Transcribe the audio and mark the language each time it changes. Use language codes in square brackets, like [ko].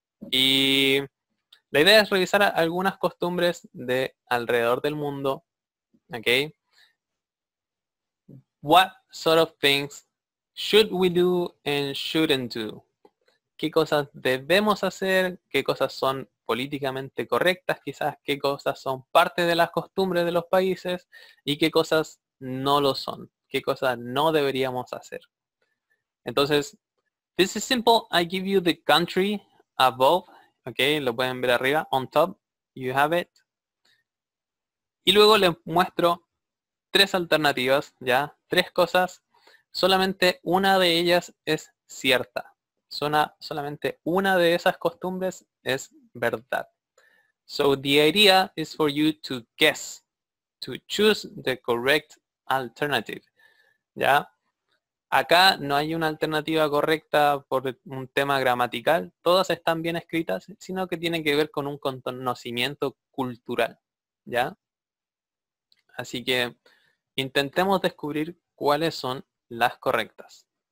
[es] Y la idea es revisar algunas costumbres de alrededor del mundo, ¿ok? [en] What sort of things should we do and shouldn't do? [es] ¿Qué cosas debemos hacer? ¿Qué cosas son políticamente correctas quizás? ¿Qué cosas son parte de las costumbres de los países? ¿Y qué cosas no lo son? ¿Qué cosas no deberíamos hacer? [en] Entonces, this is simple, I give you the country. Above, ok, [es] lo pueden ver arriba, [en] on top, you have it. [es] Y luego les muestro tres alternativas, ya, tres cosas. Solamente una de ellas es cierta. Solamente una de esas costumbres es verdad. [en] So the idea is for you to guess, to choose the correct alternative, ya. [es] Acá no hay una alternativa correcta por un tema gramatical. Todas están bien escritas, sino que tienen que ver con un conocimiento cultural, ¿ya? Así que intentemos descubrir cuáles son las correctas.